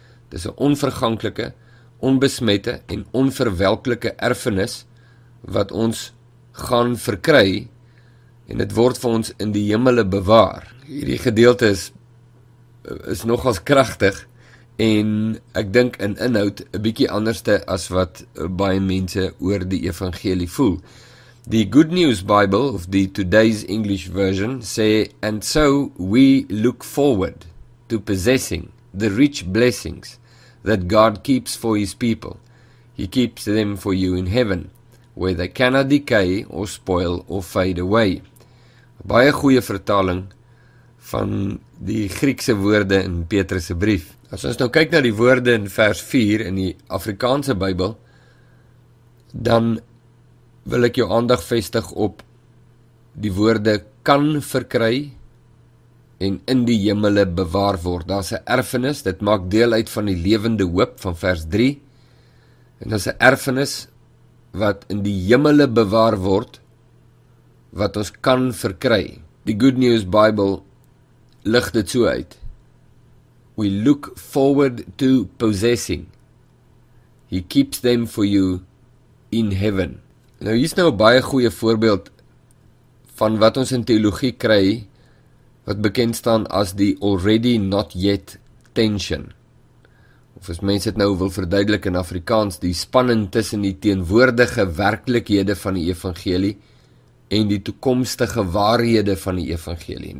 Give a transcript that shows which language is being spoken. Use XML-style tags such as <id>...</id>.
<af>Dis 'n onverganklike, onbesmette en onverwelklike erfenis wat ons gaan verkry en dit word vir ons in die hemele bewaar. Hierdie gedeelte is nogals kragtig en ek dink in inhoud 'n bietjie anderste as wat baie mense oor die evangelie voel. Die Good News Bible of the Today's English Version sê,</af> <en>and so we look forward to possessing the rich blessings that God keeps for his people. He keeps them for you in heaven, where they cannot decay or spoil or fade away.</en> <af>Baie goeie vertaling van die Griekse woorde in Petrus se brief. As ons nou kyk na die woorde in vers 4 in die Afrikaanse Bybel, dan wil ek jou aandag vestig op die woorde kan verkry en in die hemele bewaar word. Daar's 'n erfenis, dit maak deel uit van die lewende hoop van vers 3. En daar's 'n erfenis wat in die hemele bewaar word, wat ons kan verkry. Die Good News Bible lig dit so uit.</af> <en>We look forward to possessing. He keeps them for you in heaven.</en> <af>Nou hier is nou 'n baie goeie voorbeeld van wat ons in teologie kry, wat bekend staan as die</af> <en>already not yet tension.</en> <af>Of as mense dit nou wil verduidelik in Afrikaans, die spanning tussen die teenwoordige werklikhede van die evangelie en die toekomstige waarhede van die evangelie.</af>